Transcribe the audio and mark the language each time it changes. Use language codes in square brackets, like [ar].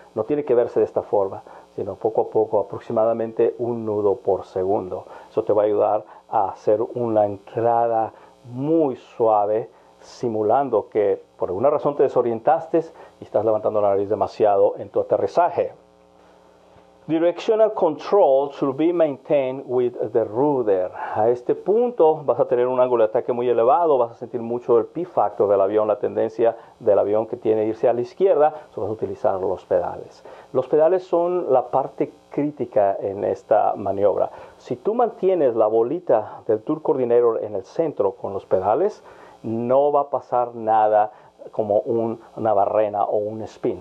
[es] No tiene que verse de esta forma, sino poco a poco, aproximadamente un nudo por segundo. Eso te va a ayudar a hacer una entrada muy suave, simulando que por alguna razón te desorientaste y estás levantando la nariz demasiado en tu aterrizaje. [en] Directional control should be maintained with the rudder. [es] A este punto vas a tener un ángulo de ataque muy elevado, vas a sentir mucho el P-factor del avión, la tendencia del avión que tiene irse a la izquierda, so vas a utilizar los pedales. Los pedales son la parte crítica en esta maniobra. Si tú mantienes la bolita del Tour Coordinator en el centro con los pedales, no va a pasar nada como una barrena o un spin.